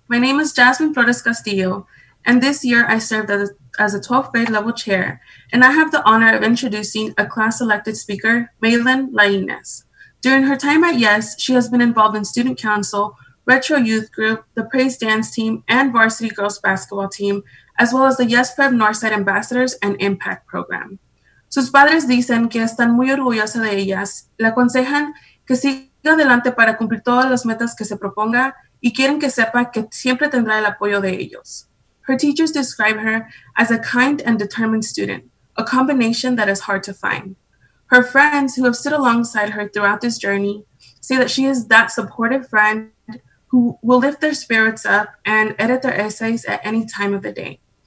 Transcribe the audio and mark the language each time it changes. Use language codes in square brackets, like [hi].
[en] My name is Jasmine Flores Castillo, and this year I served as a 12th grade level chair, and I have the honor of introducing a class elected speaker, Maylin Lainez. During her time at YES, she has been involved in student council, retro youth group, the praise dance team, and varsity girls basketball team, as well as the YES Prep Northside Ambassadors and Impact Program. [es] Sus padres dicen que están muy orgullosos de ellas, le aconsejan que siga adelante para cumplir todas las metas que se proponga, y quieren que sepa que siempre tendrá el apoyo de ellos. [en] Her teachers describe her as a kind and determined student, a combination that is hard to find. Her friends who have stood alongside her throughout this journey say that she is that supportive friend who will lift their spirits up and edit their essays at any time of the day.